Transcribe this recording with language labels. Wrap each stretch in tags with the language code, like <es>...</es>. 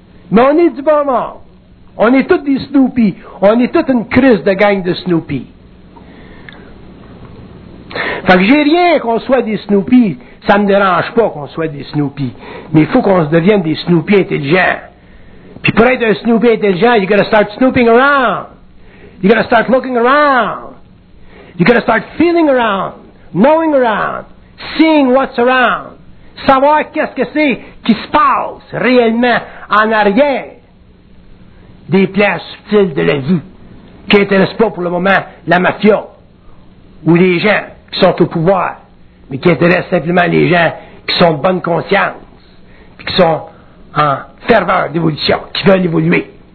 <fr>Mais on est du bon monde. On est tous des Snoopy. On est toute une crise de gang de Snoopy. Fait que j'ai rien qu'on soit des Snoopy. Ça me dérange pas qu'on soit des Snoopy. Mais il faut qu'on devienne des Snoopy intelligents. Puis pour être un Snoopy intelligent,</fr> <en>you gotta start snooping around. You gotta start looking around. You gotta start feeling around, knowing around, seeing what's around.</en> <fr>Savoir qu'est-ce que c'est qui se passe réellement en arrière des plans subtils de la vie qui n'intéressent pas pour le moment la mafia ou les gens qui sont au pouvoir, mais qui intéressent simplement les gens qui sont de bonne conscience puis qui sont en ferveur d'évolution, qui veulent évoluer.</fr>